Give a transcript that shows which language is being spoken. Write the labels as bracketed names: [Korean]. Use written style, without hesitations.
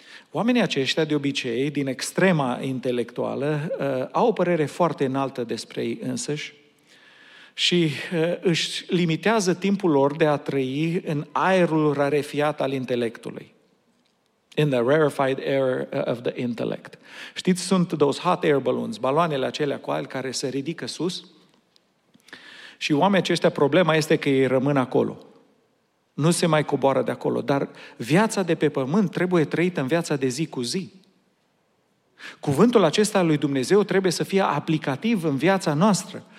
[Romanian] Oamenii aceștia, de obicei, din extrema intelectuală, au o părere foarte înaltă despre ei însăși, și își limitează timpul lor de a trăi în aerul rarefiat al intelectului. [English] In the rarefied air of the intellect. [Romanian] Știți, sunt [English] those hot air balloons, [Romanian] baloanele acelea cu aer care se ridică sus și oamenii aceștia, problema este că ei rămân acolo. Nu se mai coboară de acolo, dar viața de pe pământ trebuie trăită în viața de zi cu zi. Cuvântul acesta al lui Dumnezeu trebuie să fie aplicativ în viața noastră.